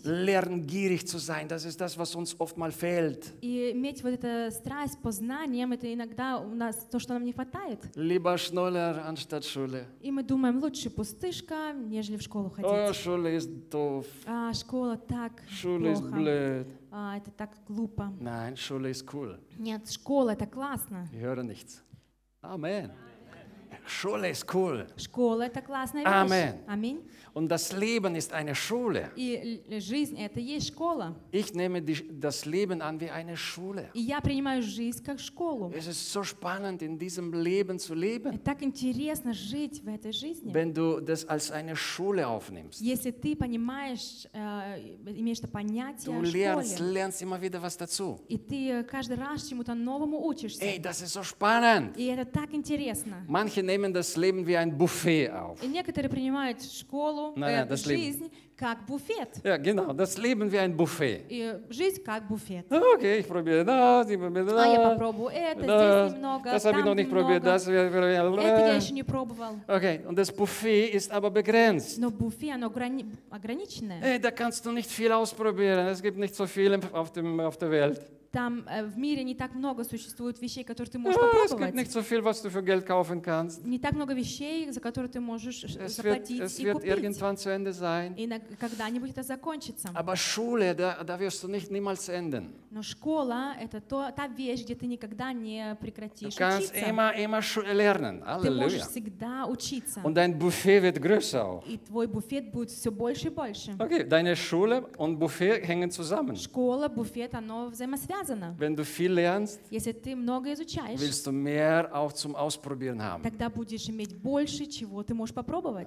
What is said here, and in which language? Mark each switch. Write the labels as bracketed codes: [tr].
[de] Lerngierig zu sein, das ist das, was uns oftmals fehlt. [ru] И иметь вот эту страсть по знаниям, это иногда у нас то, что нам не хватает. [de] Lieber Schnuller anstatt Schule. [ru] И мы думаем, лучше пустышка, нежели в школу ходить. [de] Schule ist doof. [ru] Школа так [de] Schule [ru] плохо. [de] Ist blöd. [ru] Это так глупо. [de] Nein, Schule ist cool. [ru] Нет, школа это классно. [de] Ich höre nichts. Amen. Schule ist cool. [ru] Школа это классная вещь. [de] Amen. Amen. Und das Leben ist eine Schule. [ru] И жизнь это есть школа. [de] Ich nehme das Leben an wie eine Schule. [ru] И я принимаю жизнь как школу. [de] Es ist so spannend in diesem Leben zu leben. [ru] Так интересно жить в этой жизни. [de] Wenn du das als eine Schule aufnimmst. [ru] Если ты понимаешь, имеешь это понятие о школе. [de] Du lernst immer wieder was dazu. [ru] И ты каждый раз чему-то новому учишься. [de] Эй, das ist so spannend. [ru] И это так интересно. [de] Manche nehmen das Leben wie ein Buffet auf. [ru] И некоторые принимают школу, [de] das Leben. [ru] Как буфет. [de] Ja, genau, das Leben wie ein Buffet. [ru] И жизнь как буфет. [de] Okay, ich probiere das, ich probiere das. [ru] А я попробую это, да. Здесь немного, [de] das [ru] там немного. [de] Noch nicht probiert, das [ru] это я еще не пробовал. [de] Okay, und das Buffet ist aber begrenzt. [ru] Но буфет, оно ограниченное. [de] Hey, da kannst du nicht viel ausprobieren. Es gibt nicht so viel auf der Welt. [ru] Там в мире не так много существует вещей, которые ты можешь попробовать. [de] Es gibt nicht so viel, was du für Geld kaufen kannst. [ru] Не так много вещей, за которые ты можешь заплатить и купить. [de] Es wird irgendwann zu Ende sein. [ru] И когда-нибудь это закончится. [de] Aber Schule, da wirst du nicht niemals enden. [ru] Но школа – это та вещь, где ты никогда не прекратишь учиться. [de] Du kannst immer lernen. Halleluja. [ru] Ты можешь всегда учиться. [de] Und dein Buffet wird größer auch. [ru] И твой буфет будет все больше и больше. [de] Okay, deine Schule und Buffet hängen zusammen. [ru] Школа, буфет, оно взаимосвязано. [de] Wenn du viel lernst, [ru] если ты много изучаешь, [de] willst du mehr auch zum Ausprobieren haben. [ru] Тогда будешь иметь больше, чего ты можешь попробовать.